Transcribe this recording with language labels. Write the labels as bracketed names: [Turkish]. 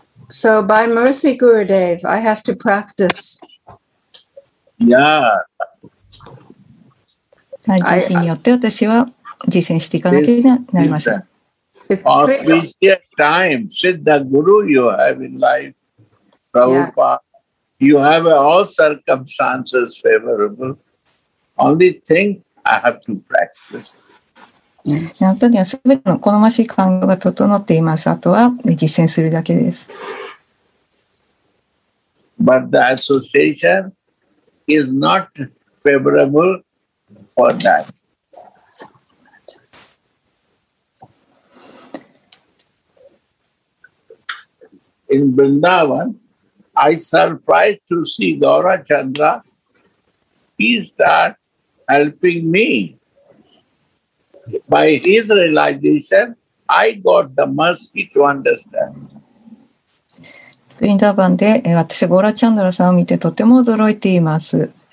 [English] So by mercy, Gurudev, I have to practice. Yeah. [Japanese] 慈悲によって私は実践していかなければなりません。 [English] Auspicious time, Siddha Guru you have in life, Prabhupada.、Yeah. You have all circumstances favorable. Only thing I have to practice. [Japanese] あなたにはすべての好ましい環境が整っています。あとは実践するだけです。 [English] But the association is not favorable for that. In Vrindavan,I surprised to see Gaura Chandra. He started helping me. By his realization, I got the mercy to understand. [Japanese] ブリンダーバンで私ゴーラチャンドラさんを見てとても驚いています。